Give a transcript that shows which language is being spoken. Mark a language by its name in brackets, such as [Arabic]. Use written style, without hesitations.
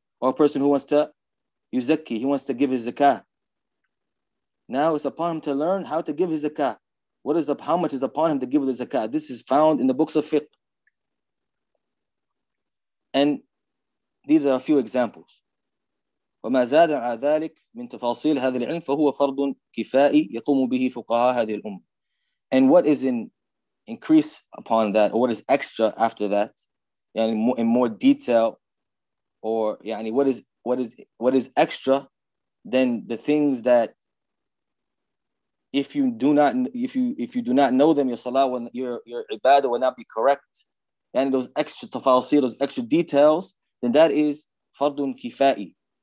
[English] Or a person who wants to yuzakki, he wants to give his zakah. Now it's upon him to learn how to give his zakah. How much is upon him to give the zakah? This is found in the books of fiqh. And these are a few examples. [Arabic] وما زاد على ذلك من تفاصيل هذا العلم فهو فرض كفائي يقوم به فقهاء هذه الأمة. [English] And what is in increase upon that, or what is extra after that, يعني in more detail, or يعني what is extra than the things that if you do not know them, your salah, when your ibadah will not be correct, يعني those extra تفاصيل, those extra details, then that is فرض كفائي.